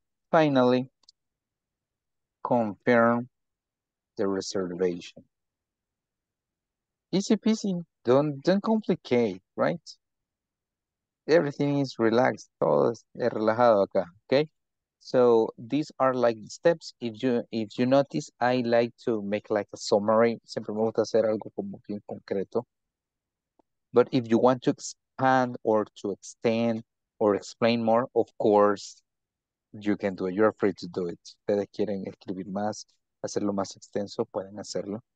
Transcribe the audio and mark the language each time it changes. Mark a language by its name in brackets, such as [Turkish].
[English] Finally, confirm the reservation. Easy peasy, don't complicate, right? Everything is relaxed, [Spanish] todo es relajado acá, [English] okay? So these are like steps. If you notice, I like to make like a summary. [Spanish] Siempre me gusta hacer algo como bien concreto. [English] But if you want to expand or to extend or explain more, of course, you can do it. You're free to do it. [Spanish] Ustedes quieren escribir más, hacerlo más extenso, pueden hacerlo.